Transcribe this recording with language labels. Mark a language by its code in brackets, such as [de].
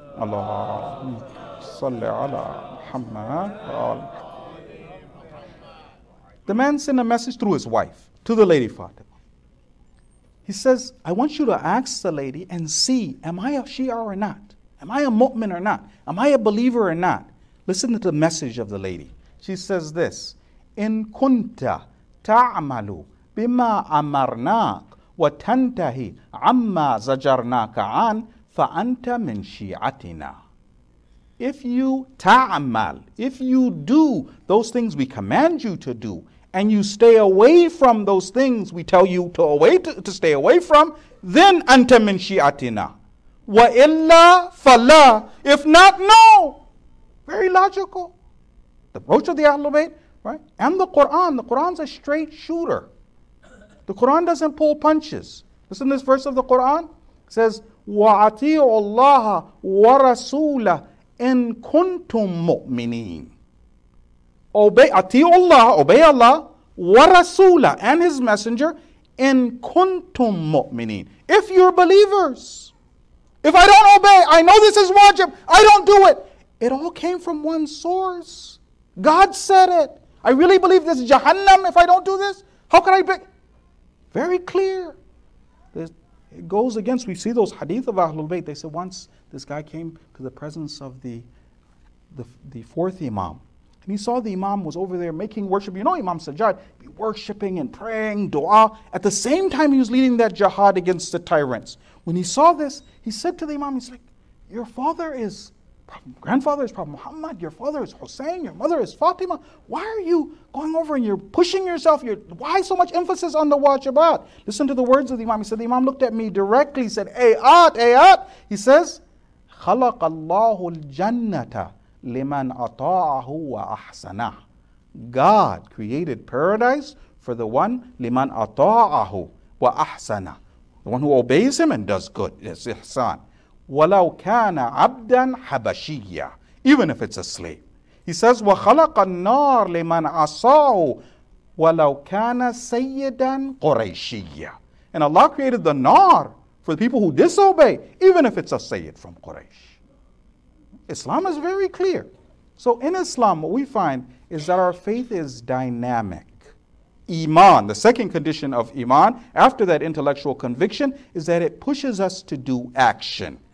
[ar] Allah. Salli ala Muhammad. [en] The man sent a message through his wife to the Lady Fatima. He says, I want you to ask the lady and see, am I a Shia or not? Am I a mu'min or not? Am I a believer or not? Listen to the message of the lady. [ar] She says this, إِن كُنْتَ تَعْمَلُ بِمَا أَمَرْنَاكَ وَتَنْتَهِ عَمَّا زَجَرْنَاكَ عَنْ فَأَنْتَ مِنْ شِيَعَتِنَا. [en] If you ta'amal, if you do those things we command you to do, and you stay away from those things we tell you to stay away from, then أَنْتَ مِنْ شِيَعَتِنَا. وَإِلَّا فَلَا. If not, no. Very logical. The approach of the Ahlul Bayt, right? And the Quran. The Quran's a straight shooter. The Quran doesn't pull punches. Listen to this verse of the Quran. [ar] It says, وَعَتِيُوا اللَّهَ وَرَسُولَهُ إِن كُنْتُم مُؤْمِنِينَ. [en] Obey, أَتِيُوا اللَّهَ, obey Allah, وَرَسُولَهُ, and His Messenger, إِن كُنْتُم مُؤْمِنِينَ. If you're believers. If I don't obey, I know this is wajib, I don't do it. It all came from one source. God said it. I really believe this is Jahannam if I don't do this. How can I be? Very clear. It goes against, we see those hadith of Ahlul Bayt. They said once this guy came to the presence of the fourth imam. And he saw the imam was over there making worship. You know Imam Sajjad, be worshiping and praying, dua. At the same time he was leading that jihad against the tyrants. When he saw this, he said to the imam, he's like, your father is... grandfather is Prophet Muhammad, your father is Hussein, your mother is Fatima. Why are you going over and you're pushing yourself? Why so much emphasis on the wajibat? Listen to the words of the imam. He said, the imam looked at me directly, he said, Ayat, Ayat. [ar] He says, خَلَقَ اللَّهُ الْجَنَّةَ لِمَنْ أَطَاعَهُ وَأَحْسَنَهُ. [en] God created paradise for the one, لِمَنْ أَطَاعَهُ وَأَحْسَنَهُ. The one who obeys him and does good. It's ihsan. وَلَوْ كَانَ عَبْدًا حَبَشِيًّا. Even if it's a slave. [ar] He says, وَخَلَقَ النَّارِ لِمَنْ عَصَاهُ وَلَوْ كَانَ سَيِّدًا قُرَيْشِيًّا. [en] And Allah created the nar for the people who disobey, even if it's a sayyid from Quraysh. Islam is very clear. So in Islam, what we find is that our faith is dynamic. Iman, the second condition of Iman, after that intellectual conviction, is that it pushes us to do action.